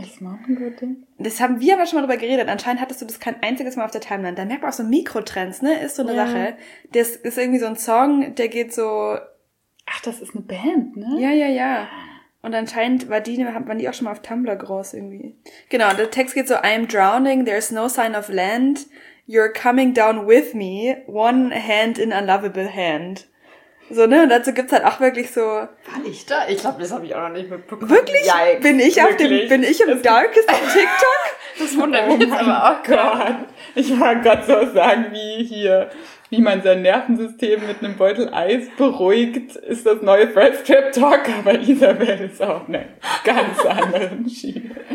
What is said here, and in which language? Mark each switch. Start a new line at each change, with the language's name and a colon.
German: Das Mountain-Goat-Ding? Das haben wir aber schon mal drüber geredet, anscheinend hattest du das kein einziges Mal auf der Timeline. Da merkt man auch so Mikrotrends, ne, ist so eine Sache. Das ist irgendwie so ein Song, der geht so... Ach, das ist eine Band, ne? Ja. Und anscheinend waren die auch schon mal auf Tumblr groß irgendwie. Genau, der Text geht so,
English: I'm drowning, there's no sign of land, you're coming down with me, one hand in a lovable hand.
German: So, ne, und dazu gibt's halt auch wirklich so... War ich da? Ich glaube, das habe ich auch noch nicht mitbekommen. Wirklich? Yikes. Bin ich im Darkest auf TikTok? Das wundert mich jetzt aber auch. Gott. Ich wollte gerade so sagen, wie hier... Wie man sein Nervensystem mit einem Beutel Eis beruhigt, ist das neue Fresh Trap Talk, aber Isabel ist auf einer ganz anderen Schiene.